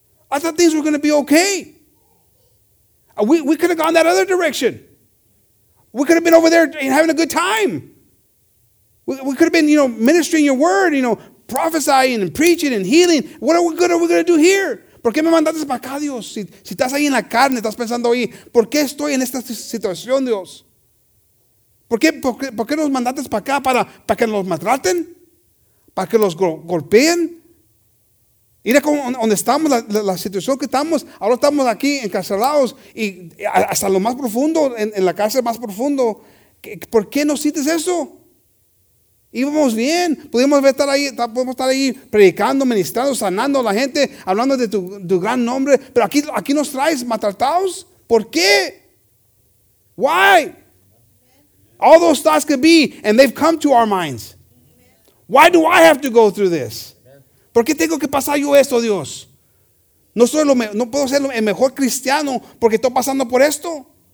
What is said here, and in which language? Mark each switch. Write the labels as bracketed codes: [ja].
[en] I thought things were going to be okay. We could have gone that other direction. We could have been over there and having a good time. We could have been, you know, ministering your word, you know, prophesying and preaching and healing. What are we good? Are we going to do here? [es] ¿Por qué me mandaste para acá, Dios? Si estás ahí en la carne, estás pensando ahí, ¿por qué estoy en esta situación, Dios? ¿Por qué nos mandaste para acá para que nos maltraten? Para que los golpeen. Mira cómo donde estamos, la situación que estamos. Ahora estamos aquí encarcelados y hasta lo más profundo, en la cárcel más profundo. ¿Por qué no sientes eso? Íbamos bien. Podemos estar ahí predicando, ministrando, sanando a la gente, hablando de tu gran nombre. Pero aquí nos traes maltratados. ¿Por qué? [en] Why? All those thoughts could be, and they've come to our minds. Why do I have to go through this? Amen. [es] ¿Por qué tengo que pasar yo esto, Dios? No puedo ser el mejor cristiano porque estoy pasando por esto.